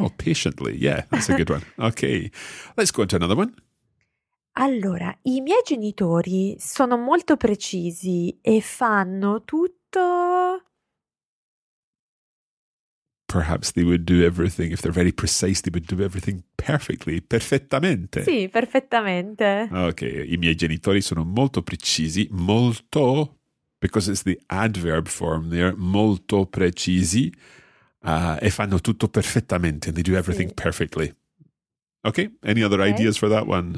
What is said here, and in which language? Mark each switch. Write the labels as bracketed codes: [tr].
[en] Oh, patiently, yeah, that's a good one. Ok, let's go on to another one. [it] Allora, i miei genitori sono molto precisi e fanno tutto... [en] Perhaps they would do everything, if they're very precise, they would do everything perfectly, perfettamente. [it] Sì, perfettamente. Ok, i miei genitori sono molto precisi, molto, [en] because it's the adverb form there, [it] molto precisi, e fanno tutto perfettamente, [en] and they do everything [it] sì. [en] perfectly. Ok, any other ideas for that one?